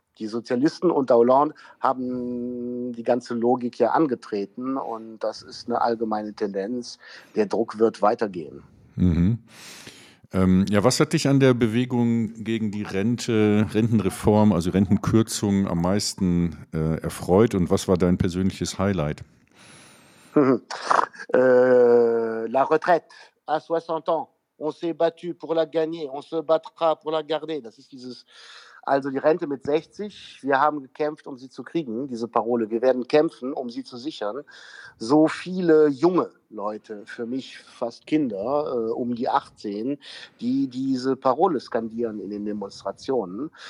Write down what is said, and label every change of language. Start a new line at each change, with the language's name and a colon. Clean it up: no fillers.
German: Die Sozialisten unter Hollande haben die ganze Logik ja angetreten und das ist eine allgemeine Tendenz. Der Druck wird weitergehen. Mhm. Ja, was hat dich an der Bewegung gegen die Rentenreform, also Rentenkürzung, am meisten erfreut und was war dein persönliches Highlight?
French: La retraite à 60 ans. On s'est battu pour la gagner, on se battra pour la garder.
German: Das ist dieses, also die Rente mit 60, wir haben gekämpft, um sie zu kriegen, diese Parole. Wir werden kämpfen, um sie zu sichern. So viele junge Leute, für mich fast Kinder, um die 18, die diese Parole skandieren in den Demonstrationen.